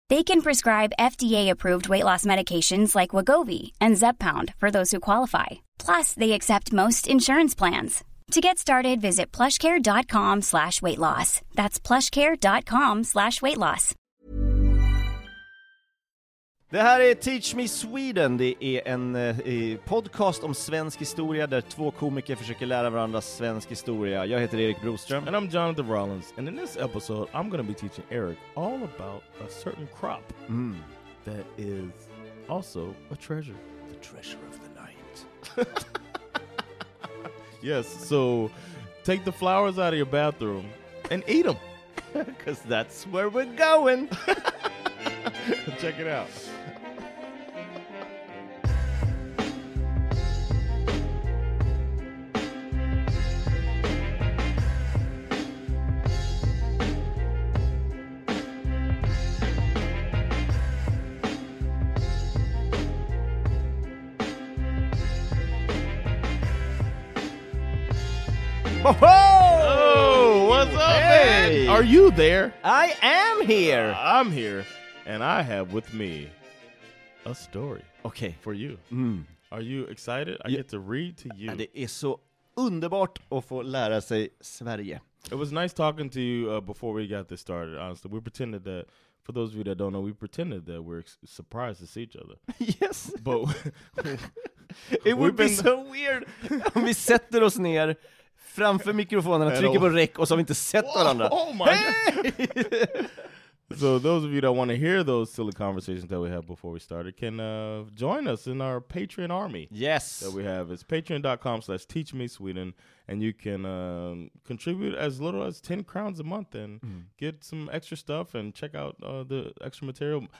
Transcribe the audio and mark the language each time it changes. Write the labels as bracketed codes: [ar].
[en] They can prescribe FDA-approved weight loss medications like Wegovy and Zepbound for those who qualify. Plus, they accept most insurance plans. To get started, visit plushcare.com/weightloss. That's plushcare.com/weightloss. [sv] Det här är Teach Me Sweden. Det är en podcast om svensk historia där två komiker försöker lära varandra svensk historia. Jag heter Erik Broström. [en] And I'm Jonathan Rollins. And in this episode, I'm going to be teaching Eric all about a certain crop that is also a treasure. The treasure of the night. Yes, so take the flowers out of your bathroom and eat them. Because that's where we're going. Check it out. Are you there? I am here. I'm here, and I have with me a story. Okay. For you. Are you excited? I get to read to you. [sv] Det är så underbart att få lära sig Sverige. [en] It was nice talking to you before we got this started, honestly. We pretended that, for those of you that don't know, we pretended that we're surprised to see each other. Yes. But it would be so weird [sv] om vi sätter oss ner framför mikrofonerna, trycker på räck och så har vi inte sett varandra. [en] Oh my God. So those of you that want to hear those silly conversations that we have before we started can join us in our Patreon army. Yes. That we have. It's patreon.com/teachmesweden. And you can contribute as little as 10 crowns a month and get some extra stuff and check out the extra material.